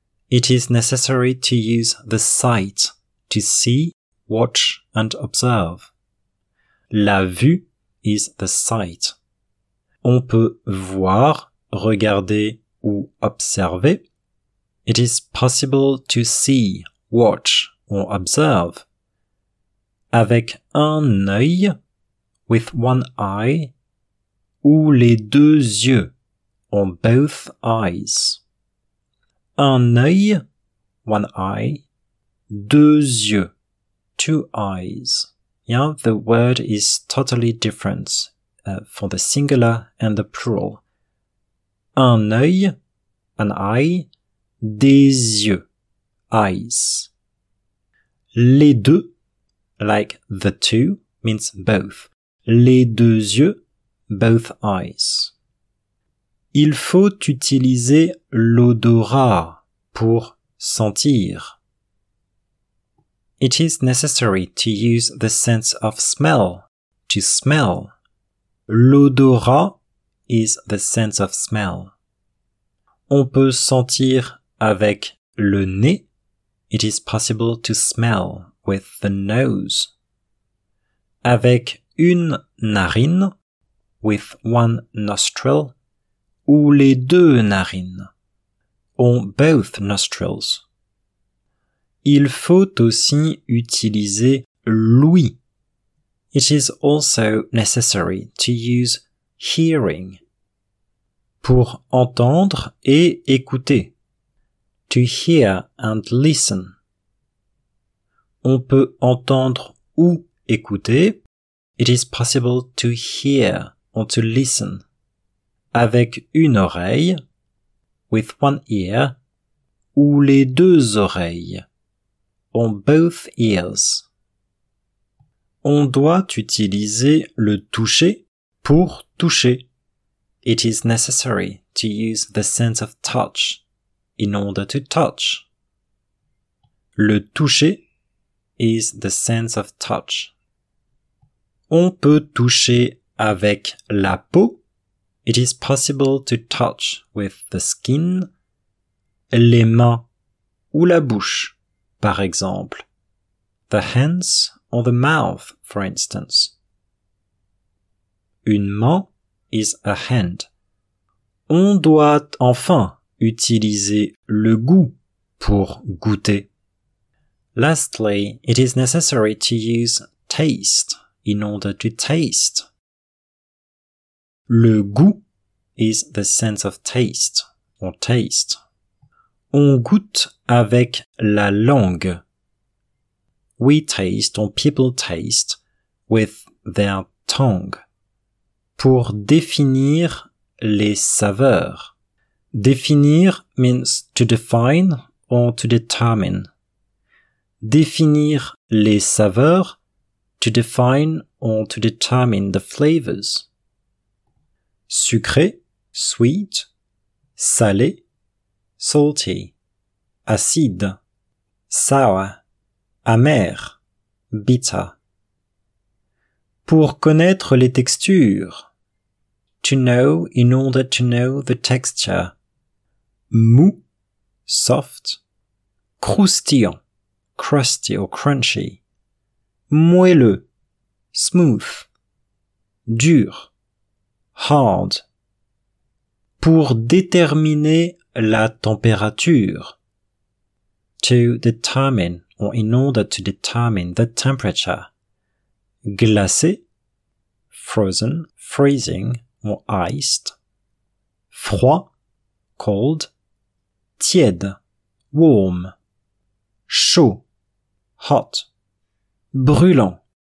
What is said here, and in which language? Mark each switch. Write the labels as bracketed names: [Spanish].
[English] It is necessary to use the sight to see, watch and observe. La vue is the sight. [French] On peut voir, regarder ou observer. [English] It is possible to see, watch or observe. [French] Avec un œil, [English] with one eye, [French] ou les deux yeux, [English] on both eyes. [French] Un œil, [English] one eye, [French] deux yeux, [English] two eyes. Yeah, the word is totally different for the singular and the plural. [French] Un œil, [English] an eye, [French] des yeux, [English] eyes. [French] Les deux, [English] like the two, means both. [French] Les deux yeux, [English] both eyes. [French] Il faut utiliser l'odorat pour sentir. [English] It is necessary to use the sense of smell, to smell. L'odorat is the sense of smell. [French] On peut sentir avec le nez. [English] It is possible to smell with the nose. [French] Avec une narine, [English] with one nostril, [French] ou les deux narines, [English] on both nostrils. [French] Il faut aussi utiliser l'ouïe. [English] It is also necessary to use hearing. [French] Pour entendre et écouter. [English] To hear and listen. [French] On peut entendre ou écouter. [English] It is possible to hear or to listen. [French] Avec une oreille. [English] With one ear. [French] Ou les deux oreilles. [English] On both ears. [French] On doit utiliser le toucher pour toucher. [English] It is necessary to use the sense of touch in order to touch. [French] Le toucher [English] is the sense of touch. [French] On peut toucher avec la peau. [English] It is possible to touch with the skin, [French] les mains ou la bouche. Par exemple, [English] the hands or the mouth, for instance. [French] Une main [English] is a hand. [French] On doit enfin utiliser le goût pour goûter. [English] Lastly, it is necessary to use taste in order to taste. [French] Le goût [English] is the sense of taste or taste. [French] On goûte avec la langue. [English] We taste, or people taste, with their tongue. [French] Pour définir les saveurs. [English] Définir means to define or to determine. [French] Définir les saveurs, [English] to define or to determine the flavors. [French] Sucré, [English] sweet. [French] Salé, [English] salty. [French] Acide, [English] sour, [French] amer, [English] bitter. [French] Pour connaître les textures, [English] to know in order to know the texture. [French] Mou, [English] soft, [French] croustillant, [English] crusty or crunchy. [French] Moelleux, [English] smooth, [French] dur, [English] hard. [French] Pour déterminer la température, [English] to determine or in order to determine the temperature. [French] Glacé, [English] frozen, freezing or iced. Froid, cold. [French] Tiède, warm. Chaud, hot. Brûlant,